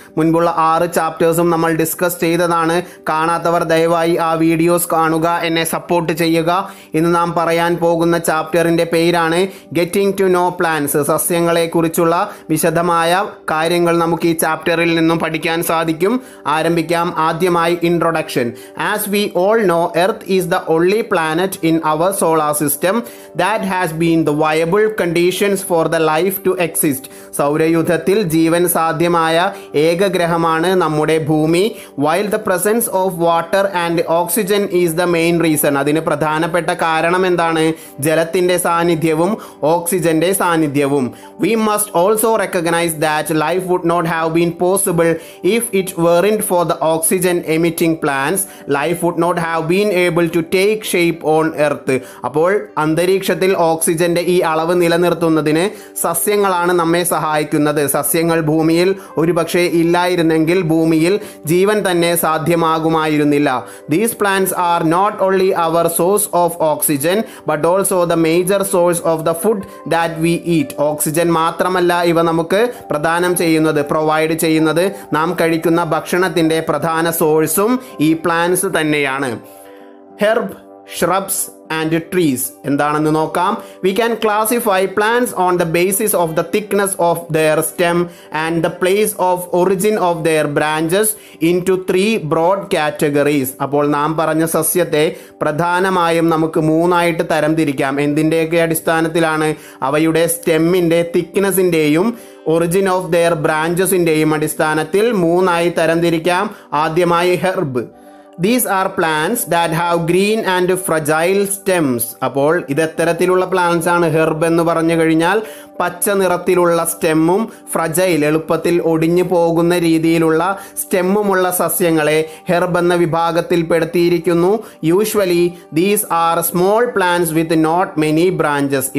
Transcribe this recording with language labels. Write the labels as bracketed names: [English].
[Malayalam] മുൻപുള്ള 6 ചാപ്റ്റേഴ്സും നമ്മൾ ഡിസ്കസ് ചെയ്തതാണ്. കാണാത്തവർ ദയവായി ആ വീഡിയോസ് കാണുക, എന്നെ സപ്പോർട്ട് ചെയ്യുക. ഇന്ന് നാം പറയാൻ പോകുന്ന ചാപ്റ്ററിൻ്റെ പേരാണ് ഗെറ്റിംഗ് ടു നോ പ്ലാന്റ്സ്. സസ്യങ്ങളെക്കുറിച്ചുള്ള വിശദമായ കാര്യങ്ങൾ നമുക്ക് ഈ ചാപ്റ്ററിൽ നിന്നും പഠിക്കാൻ സാധിക്കും. ആരംഭിക്കാം. ആദ്യമായി introduction. [English] As we all know, earth is the only planet in our solar system that has been the viable conditions for the life to exist. [Malayalam] സൗരയൂഥത്തിൽ ജീവൻ സാധ്യമായ ഏക ഗ്രഹമാണ് നമ്മുടെ ഭൂമി. [English] While the presence of water and oxygen is the main reason. [Malayalam] അതിന് പ്രധാനപ്പെട്ട കാരണം എന്താണ്? ജലത്തിന്റെ സാന്നിധ്യവും ഓക്സിജന്റെ സാന്നിധ്യവും. [English] We must also recognize that life would not have been possible if it weren't for the oxygen emitting plants. Life would not have been able to take shape on earth. [Malayalam] അപ്പോൾ അന്തരീക്ഷത്തിൽ ഓക്സിജന്റെ ഈ അളവ് നിലനിർത്തുന്നതിന് സസ്യങ്ങളാണ് നമ്മെ സഹായിക്കുന്നത്. സസ്യങ്ങൾ ഭൂമിയിൽ ഒരുപക്ഷെ ഇല്ലായിരുന്നെങ്കിൽ ഭൂമിയിൽ ജീവൻ തന്നെ സാധ്യമാകുമായിരുന്നില്ല. [English] These plants are not only our source of oxygen but also the major source of the food that we eat. [Malayalam] Oxygen മാത്രമല്ല ഇവ നമുക്ക് പ്രദാനം ചെയ്യുന്നത്, പ്രൊവൈഡ് ചെയ്യുന്നത്. നാം കഴിക്കുന്ന ഭക്ഷണത്തിന്റെ പ്രധാന സോഴ്സും ഈ പ്ലാന്റ്സ് തന്നെയാണ്. ഹെർബ്, ഷ്രബ്സ് ആൻഡ് ട്രീസ് എന്താണെന്ന് നോക്കാം. [English] We can classify plants on the basis of the thickness of their stem and the place of origin of their branches into 3 broad categories. [Malayalam] അപ്പോൾ നാം പറഞ്ഞ സസ്യത്തെ പ്രധാനമായും നമുക്ക് മൂന്നായിട്ട് തരം തിരിക്കാം. എന്തിൻ്റെയൊക്കെ അടിസ്ഥാനത്തിലാണ്? അവയുടെ സ്റ്റെമ്മിൻ്റെ തിക്നെസിൻ്റെയും ഒറിജിൻ ഓഫ് ദർ ബ്രാഞ്ചസിൻ്റെയും അടിസ്ഥാനത്തിൽ മൂന്നായി തരം തിരിക്കാം. ആദ്യമായി herb. [English] These are plants that have green and fragile stems. [Malayalam] അപ്പോൾ ഇതെത്തരത്തിലുള്ള പ്ലാന്റ്സ് ആണ്? ഹെർബ് എന്ന് പറഞ്ഞു കഴിഞ്ഞാൽ പച്ച നിറത്തിലുള്ള സ്റ്റെമ്മും ഫ്രജൈൽ എളുപ്പത്തിൽ ഒടിഞ്ഞു പോകുന്ന രീതിയിലുള്ള സ്റ്റെമ്മുമുള്ള സസ്യങ്ങളെ ഹെർബ് എന്ന വിഭാഗത്തിൽ പെടുത്തിയിരിക്കുന്നു. [English] Usually these are small plants with not many branches.